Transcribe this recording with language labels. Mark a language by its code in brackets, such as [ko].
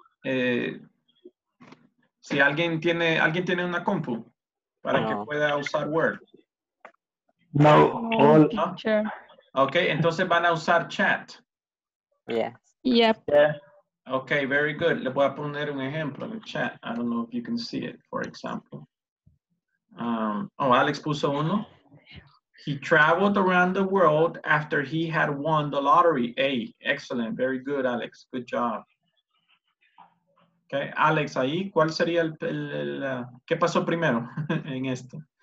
[es] Si alguien tiene una compu para que pueda usar Word. No, all. ¿No? Okay, entonces van a usar chat. [en] Yeah. Yep. Yeah. Okay, very good. [es] Le voy a poner un ejemplo en el chat. [en] I don't know if you can see it, for example. Oh, Alex [es] puso uno. [en] He traveled around the world after he had won the lottery. Hey, excellent. Very good, Alex. Good job. [es] Okay, Alex, ahí, ¿cuál sería el qué pasó primero en esto?